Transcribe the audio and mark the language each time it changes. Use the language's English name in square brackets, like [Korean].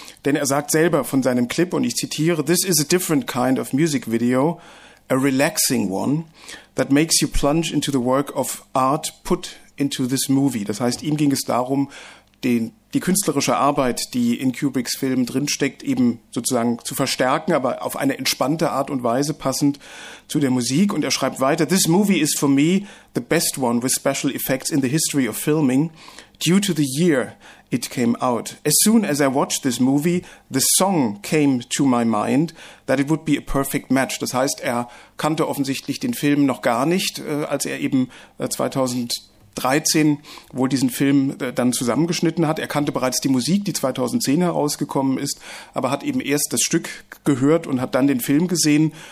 [German] Denn er sagt selber von seinem Clip, und ich zitiere, [English] "This is a different kind of music video, a relaxing one that makes you plunge into the work of art put into this movie." [German] Das heißt, ihm ging es darum, die künstlerische Arbeit, die in Kubricks Film drinsteckt, eben sozusagen zu verstärken, aber auf eine entspannte Art und Weise passend zu der Musik. Und er schreibt weiter, [English] "This movie is for me the best one with special effects in the history of filming due to the year it came out. As soon as I watched this movie, the song came to my mind that it would be a perfect match." [German] Das heißt, er kannte offensichtlich den Film noch gar nicht, als er eben 2013 wohl diesen Film dann zusammengeschnitten hat. Er kannte bereits die Musik, die 2010 herausgekommen ist, aber hat eben erst das Stück gehört und hat dann den Film gesehen.